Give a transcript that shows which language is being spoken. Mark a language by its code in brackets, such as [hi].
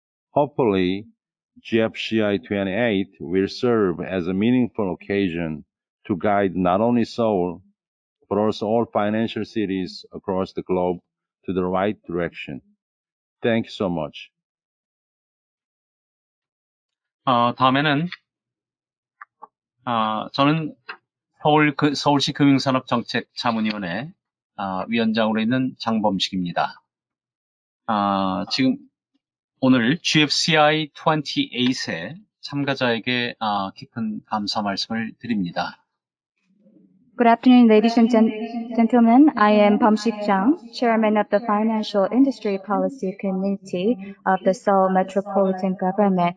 [en] Hopefully, GFCI 28 will serve as a meaningful occasion to guide not only Seoul, but also all financial cities across the globe to the right direction. Thank you so much. [ko] 다음에는 저는 서울 그 서울시 금융산업정책 자문위원회 위원장으로 있는 장범식입니다. 지금 오늘 GFCI 28의 참가자에게 깊은 감사 말씀을 드립니다. [en] Good afternoon, ladies and gentlemen. I am Bomsik Jang, Chairman of the Financial Industry Policy Committee of the Seoul Metropolitan Government.